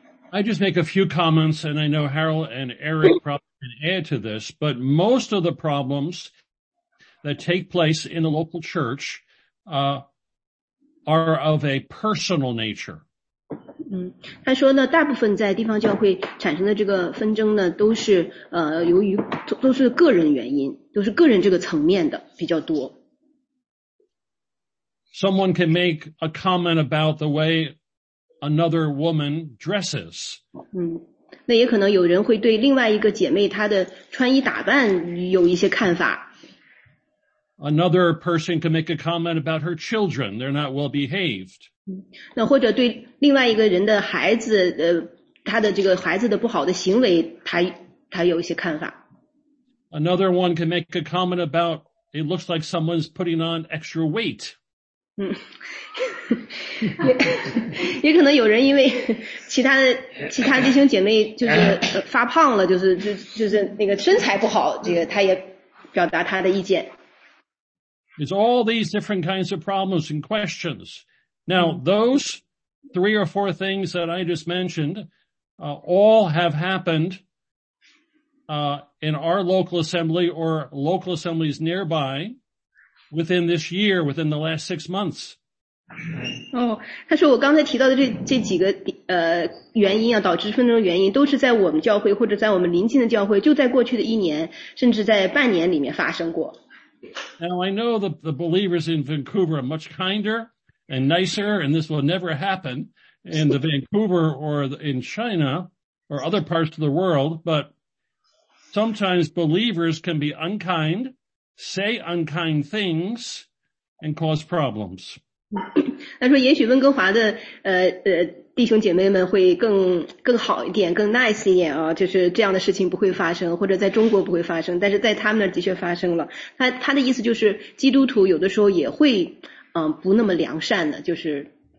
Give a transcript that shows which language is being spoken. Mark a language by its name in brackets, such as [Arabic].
[English] I just make a few comments, and I know Harold and Eric probably can add to this, but most of the problems that take place in the local church are of a personal nature. [Chinese] 他说呢，大部分在地方教会产生的这个纷争呢，都是由于都是个人原因，都是个人这个层面的比较多。 [English] Someone can make a comment about the way another woman dresses. [Chinese] 那也可能有人会对另外一个姐妹她的穿衣打扮有一些看法。 [English] Another person can make a comment about her children. They're not well behaved. [Chinese] 那或者对另外一个人的孩子他的这个孩子的不好的行为他有一些看法。 [English] Another one can make a comment about it looks like someone's putting on extra weight. [Chinese] 也可能有人因为其他弟兄姐妹就是发胖了，就是那个身材不好，这个他也表达他的意见。 [English] It's all these different kinds of problems and questions. Now, those three or four things that I just mentioned, all have happened, in our local assembly or local assemblies nearby within this year, within the last 6 months. [Chinese] 哦，他说我刚才提到的这几个原因啊，导致纷争的原因，都是在我们教会或者在我们邻近的教会，就在过去的一年，甚至在半年里面发生过。 [English] Now I know that the believers in Vancouver are much kinder and nicer, and this will never happen in the Vancouver or in China or other parts of the world, but sometimes believers can be unkind, say unkind things, and cause problems. [Chinese] 他说也许温哥华的弟兄姐妹们会更好一点，更 nice 一点啊，就是这样的事情不会发生，或者在中国不会发生，但是在他们那儿的确发生了。他的意思就是基督徒有的时候也会不那么良善的，就是